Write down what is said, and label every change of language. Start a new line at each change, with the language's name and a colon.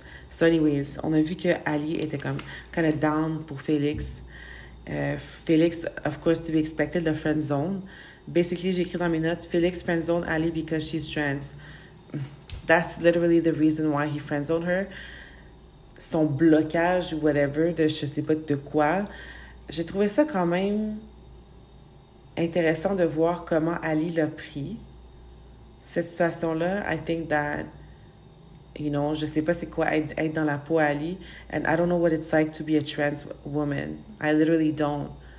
English: So anyways,
French: on a vu que Ali était comme
English: kind of down
French: pour Félix.
English: Félix, of course, to be expected, the friend zone. Basically,
French: j'ai écrit dans mes notes,
English: Félix friend zone Ali because she's trans. That's literally the reason why he friend zoned her.
French: Son blocage ou whatever de je sais pas de quoi. J'ai trouvé ça quand même intéressant de voir comment Ali l'a pris. Cette situation-là,
English: I think that you know,
French: je sais pas c'est quoi être dans la peau Ali,
English: and I don't know what it's like to be a trans woman. I literally don't.